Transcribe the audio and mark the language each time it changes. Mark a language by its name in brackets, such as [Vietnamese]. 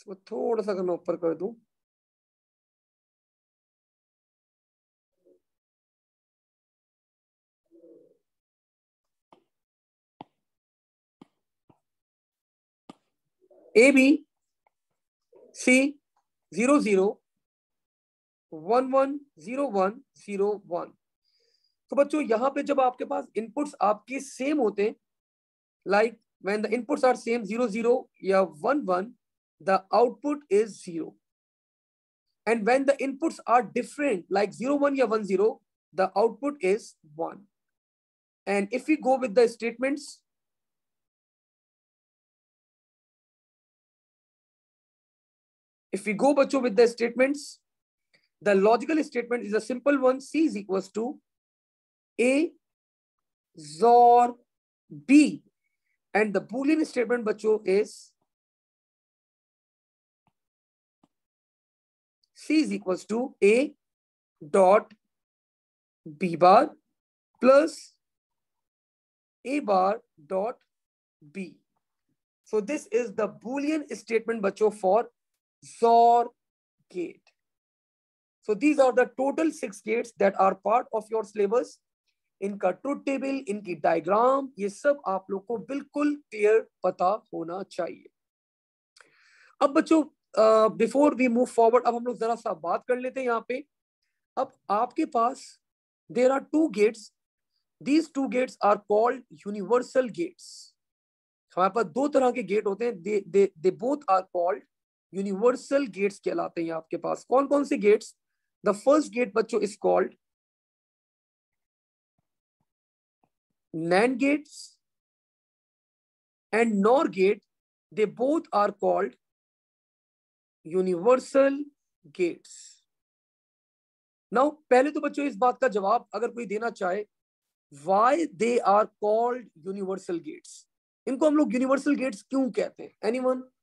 [Hindi] थोड़ा सा मैं ऊपर कर दूं, ए बी सी 0 0 1 1 0 1 0 1। तो बच्चों यहां पे जब आपके पास इनपुट्स आपके सेम होते like [English] when the inputs are same 0 0 या 1 1, the output is 0, and when the inputs are different like 0 1 या 1 0, the output is 1, and if we go with the statements, if we go bachcho with the statements, the logical statement is a simple one, c is equals to a xor b, and the boolean statement bachcho is c is equals to a dot b bar plus a bar dot b। So this is the boolean statement बच्चों for ZOR gate. So these are the total 6 gates that are part of your syllabus. [Hindi] इनका truth table, इनकी diagram, ये सब आप लोग को बिल्कुल clear पता होना चाहिए. अब बच्चों [English] before we move forward, [Hindi] अब हम लोग जरा सा बात कर लेते हैं यहाँ पे. अब आपके पास [English] There are two gates, these two gates are called universal gates. [Hindi] हमारे पास दो तरह के गेट होते हैं, [English] they both are called universal gates [Hindi] कहलाते हैं आपके पास. कौन कौन से गेट्स? [English] The first gate बच्चों is called NAND gates and NOR gate, they both are called universal gates. [Hindi] Now, पहले तो बच्चों इस बात का जवाब अगर कोई देना चाहे, [English] why they are called universal gates? [Hindi] इनको हम लोग universal gates क्यों कहते हैं? [English] Anyone?